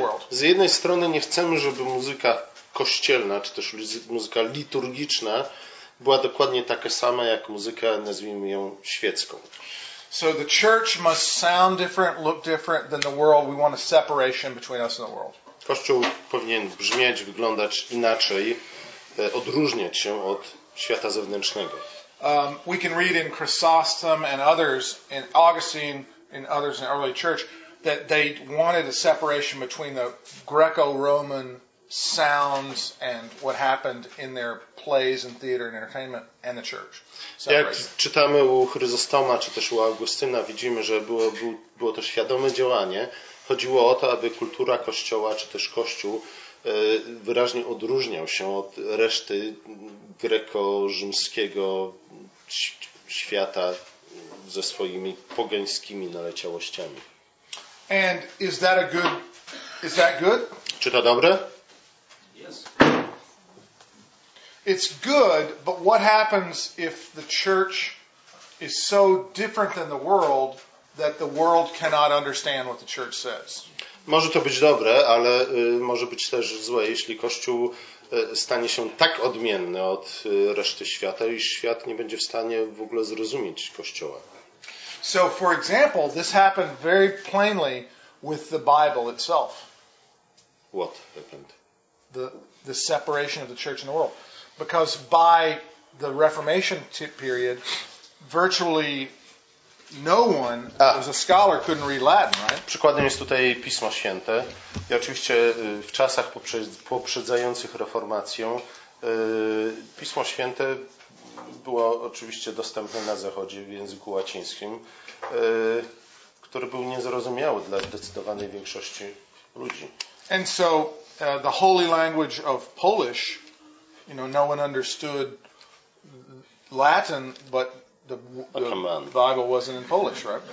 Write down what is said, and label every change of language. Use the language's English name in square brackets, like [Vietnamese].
[Polish] Z jednej strony nie chcemy, żeby muzyka kościelna, czy też muzyka liturgiczna, była dokładnie taka sama jak muzyka, nazwijmy ją, świecką. [English] So the church must sound different, look different than the world. We want a separation between us and the world. [Polish] Kościół powinien brzmieć, wyglądać inaczej, odróżniać się od świata zewnętrznego. [English] We can read in Chrysostom and others, in Augustine and others in the early church, that they wanted a separation between the Greco-Roman sounds and what happened in their plays and theater and entertainment and the church. Separation. [Polish] Jak czytamy u Chryzostoma czy też u Augustyna, widzimy, że było to świadome działanie, chodziło o to, aby kultura kościoła, czy też kościół, wyraźnie odróżniał się od reszty greko-rzymskiego świata ze swoimi pogańskimi naleciałościami. [English] And is that a good? Is that good? [Polish] Czy to dobre? [English] Yes. It's good, but what happens if the church is so different than the world that the world cannot understand what the church says? [Polish] Może to być dobre, ale może być też złe, jeśli Kościół stanie się tak odmienny od reszty świata, iż świat nie będzie w stanie w ogóle zrozumieć Kościoła. [English] So for example, this happened very plainly with the Bible itself. What happened? The separation of the church and the world. Because by the Reformation period, virtually no one as a scholar couldn't read Latin, right? [Polish] Przykładem jest tutaj Pismo Święte. I oczywiście w czasach poprzedzających reformację Pismo Święte było oczywiście dostępne na Zachodzie w języku łacińskim, który był niezrozumiały dla zdecydowanej większości ludzi. [English] And so the holy language of Polish, you know, no one understood Latin, but the Bible wasn't in Polish, right?